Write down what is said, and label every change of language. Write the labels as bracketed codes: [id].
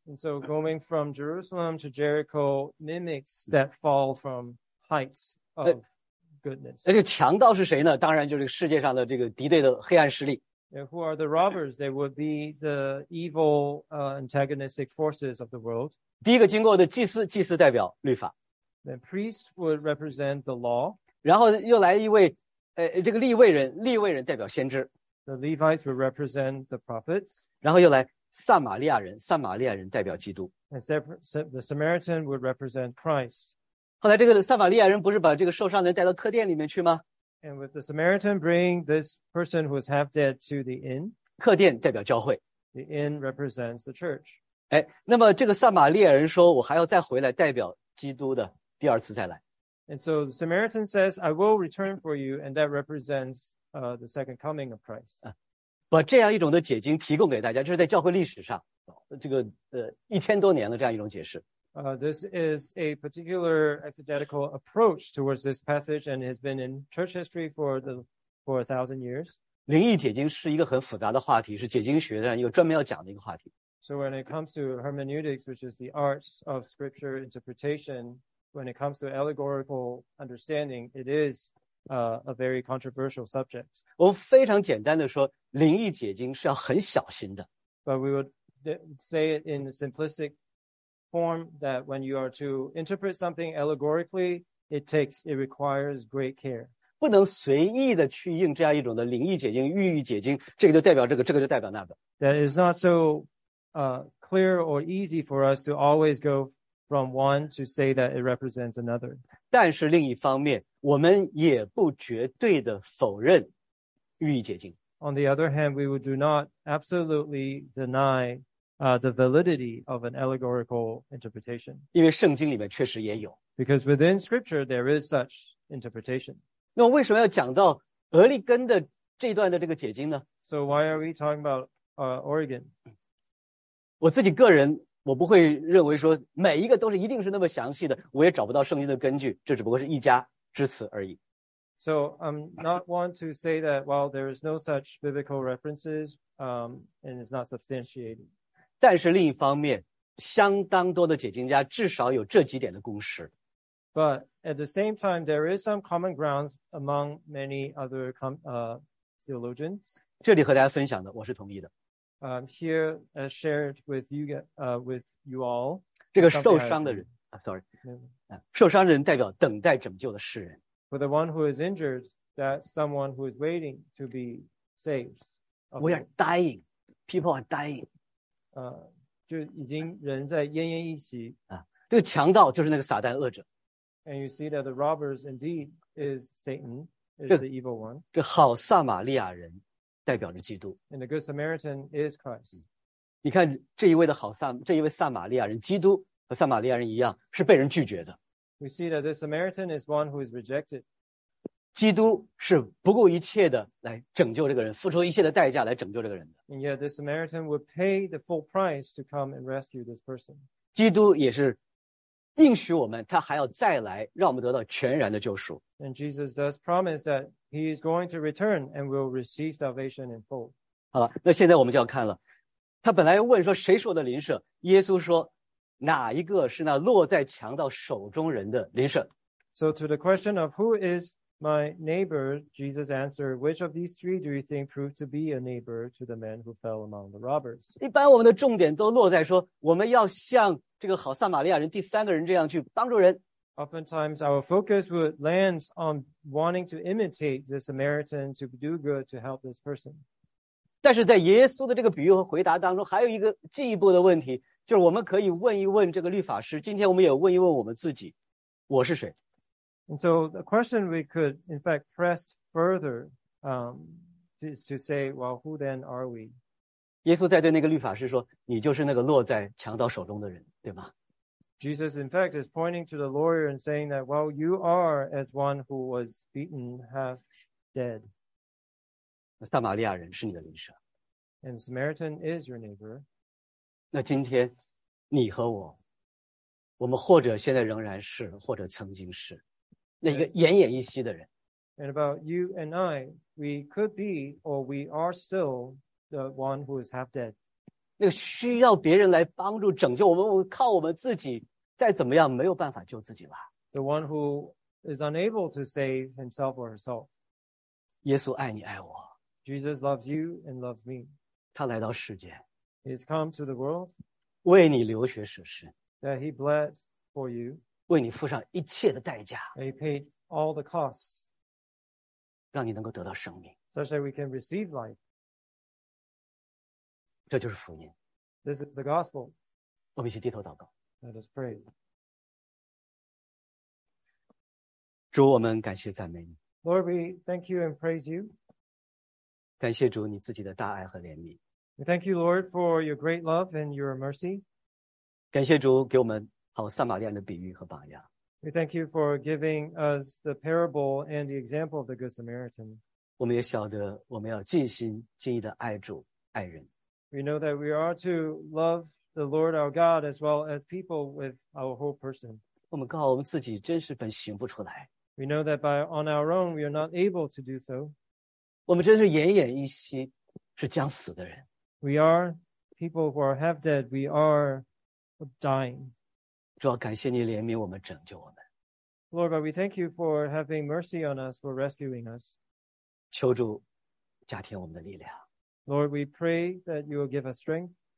[en] And so going from Jerusalem to Jericho mimics that fall from heights of goodness. [zh] 这个强盗是谁呢? 当然就是世界上的这个敌对的黑暗势力。 [en] Who are the robbers? They would be the evil antagonistic forces of the world. [zh] 第一个经过的祭司代表律法。 [en] The priest would represent the law. [zh] 然后又来一位，这个利未人，利未人代表先知。 [en] The Levites would represent the prophets. [zh] 然后又来撒玛利亚人，撒玛利亚人代表基督。 [en] And the Samaritan would represent Christ. [zh] 后来这个撒玛利亚人不是把这个受伤的人带到客店里面去吗？ [en] And with the Samaritan bring this person who is half dead to the inn. [zh] 客店代表教会。 [en] The inn represents the church. [zh] 哎，那么这个撒玛利亚人说，我还要再回来代表基督的第二次再来。 [en] And so the Samaritan says, I will return for you, and that represents, the second coming of Christ. [zh] 把这样一种的解经提供给大家，这是在教会历史上，这个一千多年的这样一种解释。 [en] This is a particular exegetical approach towards this passage, and has been in church history for 1,000 years. [zh] 灵异解经是一个很复杂的话题，是解经学上一个专门要讲的一个话题。 [en] So when it comes to hermeneutics, which is the arts of scripture interpretation,When it comes to allegorical understanding, it is, a very controversial subject. [zh] 我非常简单的说，灵异解经是要很小心的。 [en] But we would say it in a simplistic form that when you are to interpret something allegorically, it requires great care. [zh] 不能随意的去应这样一种的灵异解经、寓意解经，这个就代表这个，这个就代表那个。 [en] That is not so, clear or easy for us to always go. From one to say that it represents another. [zh] 但是另一方面，我们也不绝对的否认寓意解经。 [en] On the other hand, we would do not absolutely deny, the validity of an allegorical interpretation. [zh] 因为圣经里面确实也有。 [en] Because within scripture, there is such interpretation. [zh] 那为什么要讲到俄利根的这段的这个解经呢？ [en] So why are we talking about, Oregon? [zh] 我自己个人我不会认为说每一个都是一定是那么详细的，我也找不到圣经的根据，这只不过是一家之词而已。 [en] So I'm not one to say that while there is no such biblical references, and it's not substantiated. [zh] 但是另一方面，相当多的解经家至少有这几点的共识。 [en] But at the same time, there is some common grounds among many other theologians. [zh] 这里和大家分享的，我是同意的。 [en] Here, as shared with you, with you all. [zh] 这个受伤的人 [en] sorry. [zh] 受伤的人代表等待拯救的世人。 [en] For the one who is injured, that's someone who is waiting to be saved. We are dying. People are dying. [zh] 就已经人在奄奄一息。这个强盗就是那个撒旦恶者。 [en] And you see that the robbers indeed is Satan, is the evil one. [zh] 这好撒玛利亚人。代表着基督。 [en] And the good Samaritan is Christ. [zh] 你看这一位的好撒，这一位撒玛利亚人，基督和撒玛利亚人一样，是被人拒绝的。 [en] We see that this Samaritan is one who is rejected. [zh] 基督是不顾一切的来拯救这个人，付出一切的代价来拯救这个人的。 [en] And yet this Samaritan would pay the full price to come and rescue this person. [zh] 基督也是应许我们，他还要再来，让我们得到全然的救赎。 [en] And Jesus does promise that he is going to return and will receive salvation in full. [zh] 好了，那现在我们就要看了。他本来问说谁是我的邻舍，耶稣说哪一个是那落在强盗手中人的邻舍。 [en] So to the question of who is my neighbor, Jesus answered, which of these three do you think proved to be a neighbor to the man who fell among the robbers? [zh] 一般我们的重点都落在说我们要像这个好撒玛利亚人第三个人这样去帮助人。 [en] Oftentimes, our focus would land on wanting to imitate the Samaritan to do good to help this person. [zh] 但是在耶稣的这个比喻和回答当中，还有一个进一步的问题，就是我们可以问一问这个律法师，今天我们也问一问我们自己，我是谁？ [en] And so the question we could, in fact, press further, is to say, well, who then are we? [zh] 耶稣在对那个律法师说，你就是那个落在强盗手中的人，对吗？ [en] Jesus, in fact, is pointing to the lawyer and saying that, well, you are as one who was beaten half dead. [zh] 撒玛利亚人是你的邻舍。 [en] And Samaritan is your neighbor. [zh] 那今天你和我，我们或者现在仍然是，或者曾经是，那一个奄奄一息的人。 [en] And about you and I, we could be or we are still the one who is half dead. [zh] 那个需要别人来帮助拯救我们，我靠我们自己再怎么样没有办法救自己了。 [en] The one who is unable to save himself or herself. [zh] 耶稣爱你爱我。 [en] Jesus loves you and loves me. [zh] 他来到世间。 [en] He's come to the world. [zh] 为你流血舍身。 [en] That he bled for you. [zh] 为你付上一切的代价。 [en] They paid all the costs. [zh] 让你能够得到生命。 [en] Such that we can receive life. [zh] 这就是福音。 [en] This is the gospel. [zh] 我们一起低头祷告。 [en] Let us pray. [zh] 主，我们感谢赞美你。 [en] Lord, we thank you and praise you. [zh] 感谢主你自己的大爱和怜悯。 [en] We thank you, Lord, for your great love and your mercy. [zh] 感谢主给我们好撒玛利亚的比喻和榜样。 [en] We thank you for giving us the parable and the example of the Good Samaritan. [zh] 我们也晓得我们要尽心尽意的爱主爱人。 [en] We know that we are to love the Lord our God as well as people with our whole person. [zh] 我们靠我们自己真是本行不出来。 [en] We know that by on our own we are not able to do so. [zh] 我们真是奄奄一息，是将死的人。 [en] We are people who are half dead. We are dying. [zh] 主要感谢你怜悯我们，拯救我们。 [en] Lord, but we thank you for having mercy on us, for rescuing us. [zh] 求主加添我们的力量。 [en] Lord, we pray that you will give us strength.